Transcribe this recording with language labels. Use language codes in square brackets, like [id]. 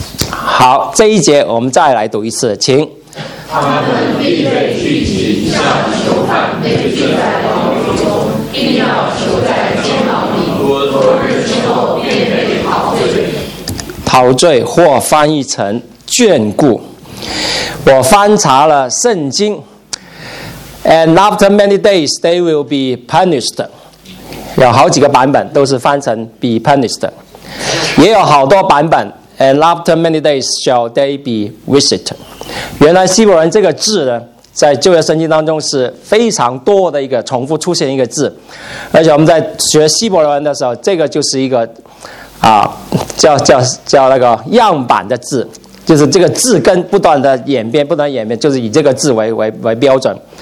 [zh] 好，这一节我们再来读一次，请。他们必被聚集，像囚犯被聚在牢狱中，并要囚在监牢里，多日之后便被陶醉。陶醉或翻译成眷顾。我翻查了圣经， [en] and after many days they will be punished， [zh] 有好几个版本都是翻成 [en] be punished， [zh] 也有好多版本 [en] and after many days shall they be visited。 [zh] 原来希伯来这个字呢，在旧约圣经当中是非常多的一个重复出现一个字，而且我们在学希伯来的时候，这个就是一个叫那个样板的字，就是这个字根不断的演变，不断演变，就是以这个字 为标准。